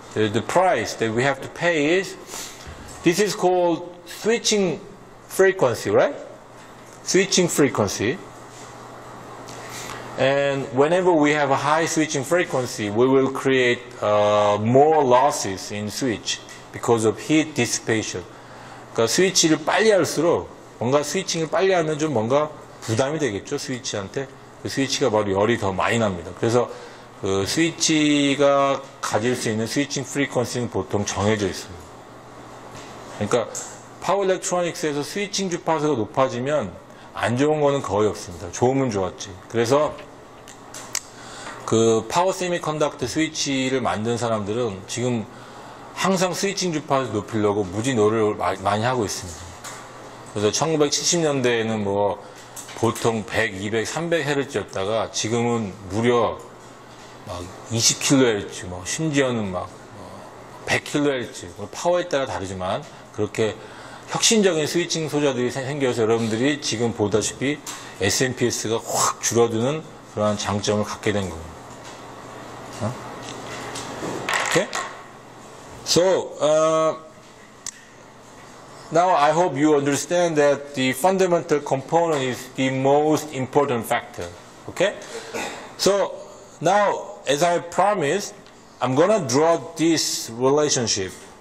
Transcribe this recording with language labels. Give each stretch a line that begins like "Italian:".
English: The price that we have to pay is this is called switching frequency, right? Switching frequency. And whenever we have a high switching frequency, we will create more losses in switch because of heat dissipation.
Korean: 그러니까 스위치를 빨리 할수록 뭔가 스위칭을 빨리 하면 좀 뭔가 부담이 되겠죠, 스위치한테. 그 스위치가 바로 열이 더 많이 납니다. 그래서 그 스위치가 가질 수 있는 스위칭 프리퀀시는 보통 정해져 있습니다. 그러니까 파워 일렉트로닉스에서 스위칭 주파수가 높아지면 안 좋은 거는 거의 없습니다. 좋으면 좋았지. 그래서 그 파워 세미컨덕터 스위치를 만든 사람들은 지금 항상 스위칭 주파수 높이려고 무지 노력을 많이 하고 있습니다. 그래서 1970년대에는 뭐 보통 100, 200, 300 헤르츠였다가 지금은 무려 막 20 킬로헤르츠, 뭐 심지어는 막 100 킬로헤르츠. 파워에 따라 다르지만 그렇게 혁신적인 스위칭 소자들이 생겨서 여러분들이 지금 보다시피 SNPS가 확 줄어드는 그러한 장점을 갖게 된 거예요. 어?
English: So, now I hope you understand that the fundamental component is the most important factor. Okay? So, now, as I promised, I'm gonna draw this relationship.